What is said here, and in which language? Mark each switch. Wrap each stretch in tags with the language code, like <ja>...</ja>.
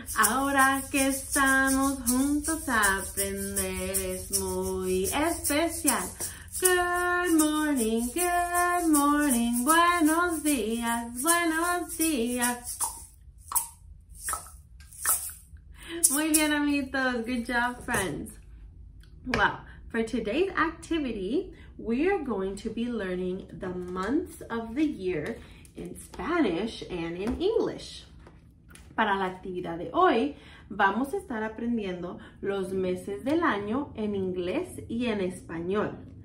<es>Ahora que estamos juntos, aprender es muy especial.</es> <en>Good morning,</en> <es>buenos días, buenos días. Muy bien, amiguitos.</es> <en>Good job, friends. Well, for today's activity, we are going to be learning the months of the year in Spanish and in English.</en> <es>Para la actividad de hoy, vamos a estar aprendiendo los meses del año en inglés y en español.</es>